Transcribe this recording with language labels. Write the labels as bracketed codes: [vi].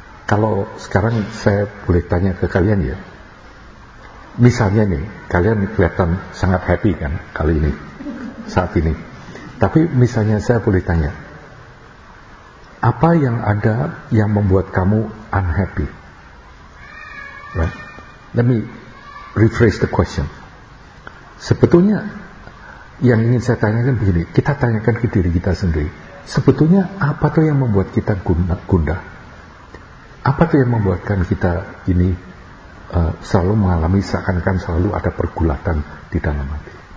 [id] Kalau sekarang saya boleh tanya ke kalian ya, misalnya nih, kalian kelihatan sangat happy kan kali ini, saat ini. Tapi misalnya saya boleh tanya, apa yang ada yang membuat kamu unhappy? [en] Right? Let me rephrase the question. [id] Sebetulnya yang ingin saya tanyakan begini, kita tanyakan ke diri kita sendiri. Sebetulnya apa tuh yang membuat kita gundah? Apa tuh yang membuatkan kita ini selalu mengalami seakan-akan selalu ada pergulatan di dalam hati?